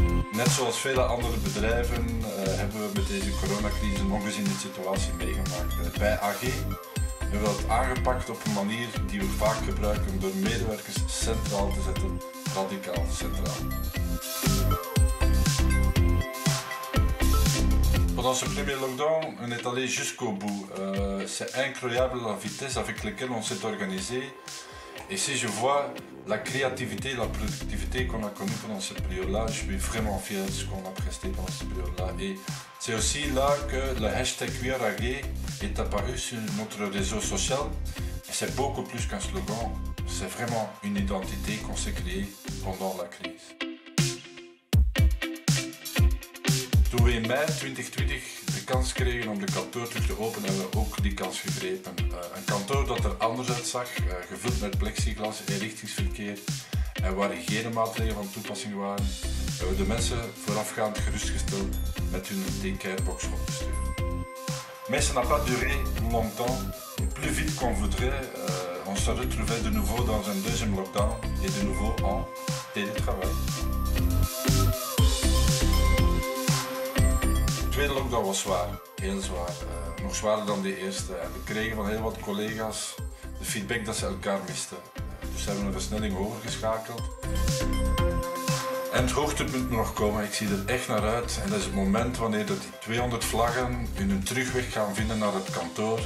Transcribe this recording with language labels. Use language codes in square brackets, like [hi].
[nl] Net zoals vele andere bedrijven hebben we met deze coronacrisis nog eens in de situatie meegemaakt. Bij AG hebben we dat aangepakt op een manier die we vaak gebruiken door medewerkers centraal te zetten, radicaal centraal. [fr] Pendant ce premier lockdown, on est allé jusqu'au bout. C'est incroyable la vitesse avec laquelle on s'est organisé. Et si je vois la créativité, la productivité qu'on a connue pendant cette période-là, je suis vraiment fier de ce qu'on a presté pendant cette période-là. Et c'est aussi là que le hashtag WeAreAG est apparu sur notre réseau social. Et c'est beaucoup plus qu'un slogan, c'est vraiment une identité qu'on s'est créée pendant la crise. [nl] Toen we in mei 2020 de kans kregen om de kantoor terug te openen, hebben we ook die kans gegrepen. Een kantoor dat er anders uitzag, gevuld met plexiglas en richtingsverkeer, en waar geen maatregelen van toepassing waren, hebben we de mensen voorafgaand gerustgesteld met hun decairebox opgestuurd. [fr] Mais ça n'a pas duré longtemps. Plus vite qu'on voudrait, on se retrouvait de nouveau dans un deuxième lockdown et de nouveau en télétravail. [nl] De tweede lockdown was zwaar, heel zwaar. Nog zwaarder dan de eerste. En we kregen van heel wat collega's de feedback dat ze elkaar misten. Dus hebben we een versnelling hoger geschakeld. En het hoogtepunt moet nog komen. Ik zie er echt naar uit. En dat is het moment wanneer die 200 vlaggen hun terugweg gaan vinden naar het kantoor.